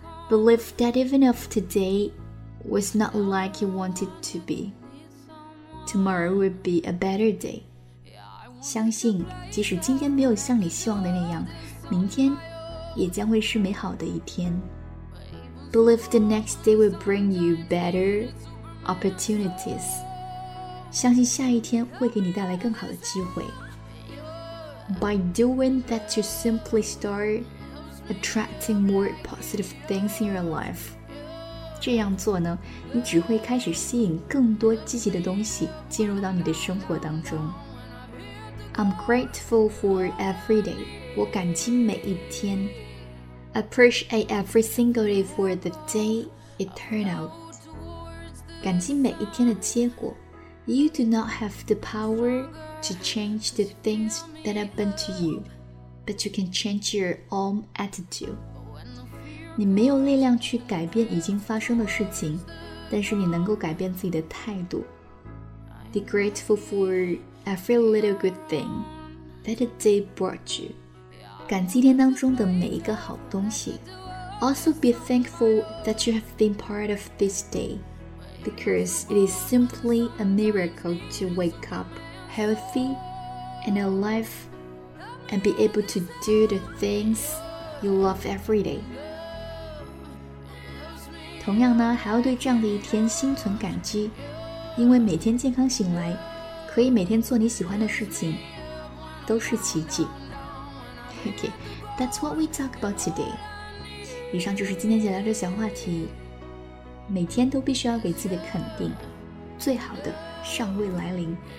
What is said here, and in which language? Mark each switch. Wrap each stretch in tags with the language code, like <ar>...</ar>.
<en>Believe that even if today was not like you wanted to be, tomorrow would be a better day.</en> <zh>相信即使今天没有像你希望的那样，明天也将会是美好的一天。</zh> <en>Believe the next day will bring you better opportunities.</en> <zh>相信下一天会给你带来更好的机会。</zh> <en>By doing that, you simply start attracting more positive things in your life.</en> <zh>这样做呢，你只会开始吸引更多积极的东西进入到你的生活当中。</zh> <en>I'm grateful for every day.</en> <zh>我感激每一天。</zh> <en>Appreciate every single day for the day it turned out.</en> <zh>感激每一天的结果。</zh> <en>You do not have the power to change the things that happen to you, but you can change your own attitude.</en> <zh>你没有力量去改变已经发生的事情，但是你能够改变自己的态度。</zh> <en>Be grateful for every little good thing that the day brought you.</en> <zh>感激天当中的每一个好东西。</zh> <en>Also be thankful that you have been part of this day. Because it is simply a miracle to wake up healthy and alive and be able to do the things you love every day.</en> <zh>同样呢，还要对这样的一天心存感激，因为每天健康醒来，可以每天做你喜欢的事情，都是奇迹。</zh> <en>Okay, that's what we talk about today.</en> <zh>以上就是今天解答的小话题。每天都必须要给自己的肯定，最好的尚未来临。</zh>